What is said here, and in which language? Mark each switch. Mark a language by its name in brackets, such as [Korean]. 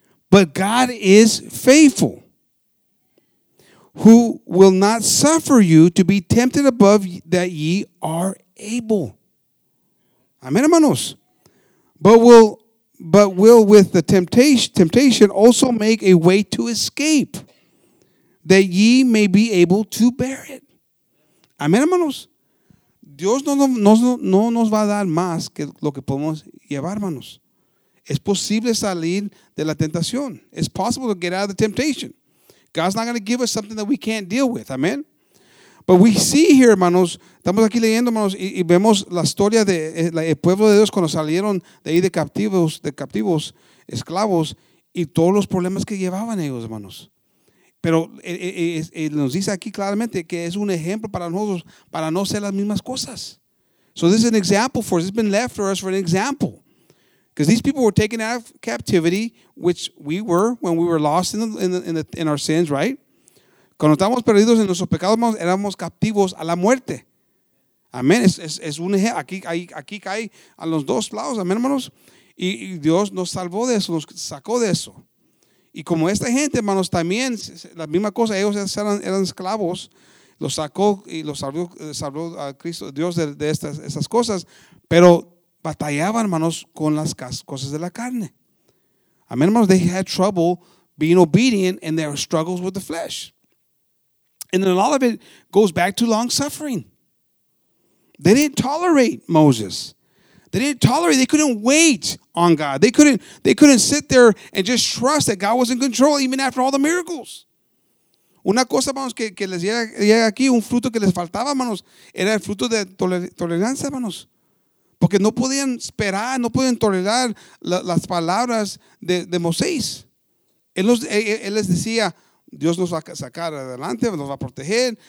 [English] But God is faithful, who will not suffer you to be tempted above that ye are able. Amen, hermanos. But will with the temptation also make a way to escape, that ye may be able to bear it. [Spanish] Amen, hermanos. Dios no nos va a dar más que lo que podemos llevar, hermanos. Es posible salir de la tentación. [English] It's possible to get out of the temptation. God's not going to give us something that we can't deal with. [Spanish] Amen. [English] But we see here, [Spanish] hermanos, estamos aquí leyendo, hermanos, y vemos la historia de el pueblo de Dios cuando salieron de ahí de captivos, esclavos, y todos los problemas que llevaban ellos, hermanos. Pero nos dice aquí claramente que es un ejemplo para nosotros para no hacer las mismas cosas. [English] So this is an example for us. It's been left for us for an example. Because these people were taken out of captivity, which we were when we were lost in our sins, right? [Spanish] Cuando estábamos perdidos en nuestros pecados, éramos captivos a la muerte. Amén. Es un ejemplo. Aquí cae a los dos lados. Amén, hermanos. Y Dios nos salvó de eso, nos sacó de eso. Y como esta gente, hermanos, también, la misma cosa, ellos eran esclavos, los sacó y los salvó a Cristo, Dios de estas cosas. Pero batallaban, hermanos, con las cosas de la carne. Amén, hermanos. [English] They had trouble being obedient in their struggles with the flesh. And a lot of it goes back to long suffering. They didn't tolerate Moses. They didn't tolerate. They couldn't wait on God. They couldn't sit there and just trust that God was in control even after all the miracles. [Spanish] Una cosa, hermanos, que les llega aquí, un fruto que les faltaba, hermanos, era el fruto de tolerancia, hermanos. Porque no podían esperar, no podían tolerar las palabras de Moisés. Él les decía, Dios nos va a sacar adelante, nos va a proteger.